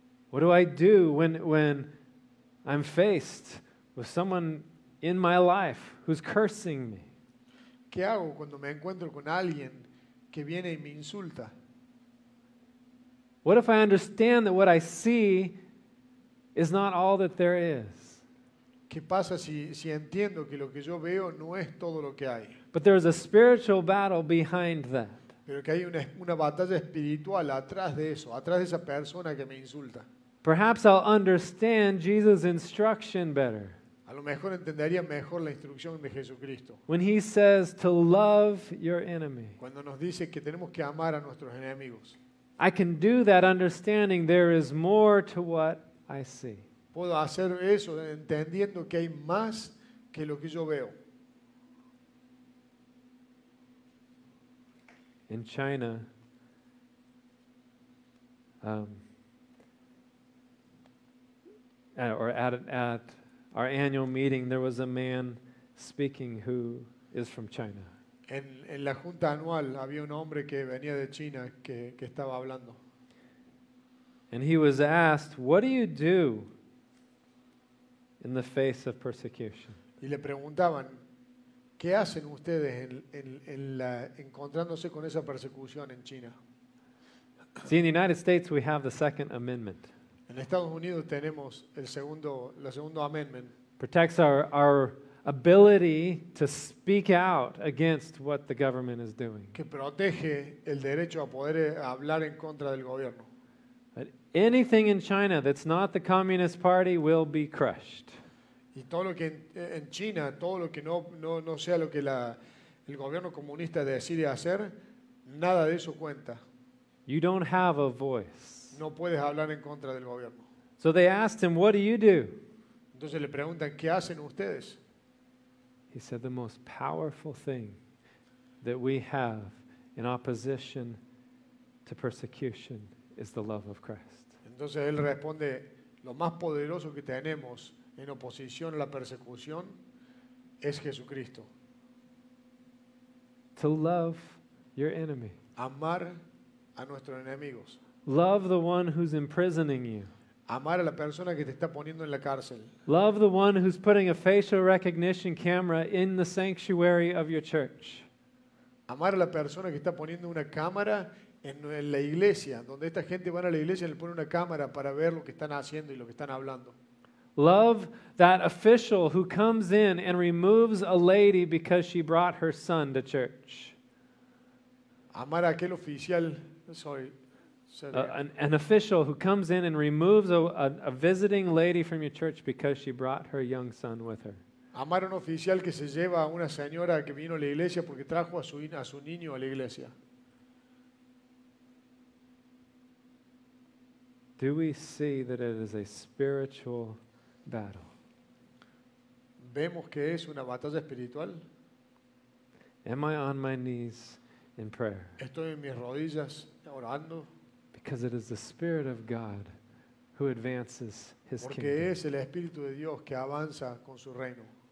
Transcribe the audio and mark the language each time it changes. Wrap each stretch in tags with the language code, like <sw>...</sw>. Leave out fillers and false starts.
<en>What do I do when I'm faced with someone in my life who's cursing me?</en> <es>¿Qué hago cuando me encuentro con alguien que viene y me insulta?</es> <en>What if I understand that what I see is not all that there is?</en> <es>¿Qué pasa si entiendo que lo que yo veo no es todo lo que hay?</es> <en>But there is a spiritual battle behind that.</en> <es>Pero que hay una batalla espiritual atrás de eso, atrás de esa persona que me insulta.</es> <en>Perhaps I'll understand Jesus' instruction better.</en> <es>A lo mejor entendería mejor la instrucción de Jesucristo.</es> <en>When he says to love your enemy.</en> <es>Cuando nos dice que tenemos que amar a nuestros enemigos.</es> <en>I can do that understanding there is more to what I see.</en> <es>Puedo hacer eso entendiendo que hay más que lo que yo veo.</es> <en>In China, at our annual meeting, there was a man speaking who is from China.</en> <es>En la junta anual había un hombre que venía de China que estaba hablando.</es> <en>And he was asked, "What do you do in the face of persecution?"</en> <es>Y le preguntaban, ¿qué hacen ustedes encontrándose con esa persecución en China?</es> <en>See, in the United States, we have the Second Amendment.</en> <es>En Estados Unidos tenemos la segunda amendment.</es> <en>Protects our ability to speak out against what the government is doing.</en> <es>Que protege el derecho a poder hablar en contra del gobierno.</es> <en>But anything in China that's not the Communist Party will be crushed.</en> <es>Y todo lo que en China, todo lo que no sea lo que el gobierno comunista decide hacer, nada de eso cuenta.</es> <en>You don't have a voice.</en> <es>No puedes hablar en contra del gobierno.</es> <en>So they asked him, "What do you do?"</en> <es>Entonces le preguntan, ¿qué hacen ustedes?</es> <en>He said, "The most powerful thing that we have in opposition to persecution is the love of Christ."</en> <es>Entonces él responde, "Lo más poderoso que tenemos en oposición a la persecución es Jesucristo."</es> <en>To love your enemy.</en> <es>Amar a nuestros enemigos.</es> <en>Love the one who's imprisoning you.</en> <es>Amar a la persona que te está poniendo en la cárcel.</es> <en>Love the one who's putting a facial recognition camera in the sanctuary of your church.</en> <es>Amar a la persona que está poniendo una cámara en la iglesia, donde esta gente va a la iglesia y le pone una cámara para ver lo que están haciendo y lo que están hablando.</es> <en>Love that official who comes in and removes a lady because she brought her son to church.</en> <es>Amar a aquel oficial,</es> <en>An official who comes in and removes a visiting lady from your church because she brought her young son with her.</en> <es>Amar a un oficial que se lleva a una señora que vino a la iglesia porque trajo a su niño a la iglesia.</es> <en>Do we see that it is a spiritual battle?</en> <es>¿Vemos que es una batalla espiritual?</es> <en>Am I on my knees in prayer.</en> <es>Estoy en mis rodillas orando.</es> <en>Because it is the Spirit of God who advances His</en> <es>Porque</es> <en>kingdom.</en> <es>Porque es el Espíritu de Dios que avanza con su reino.</es>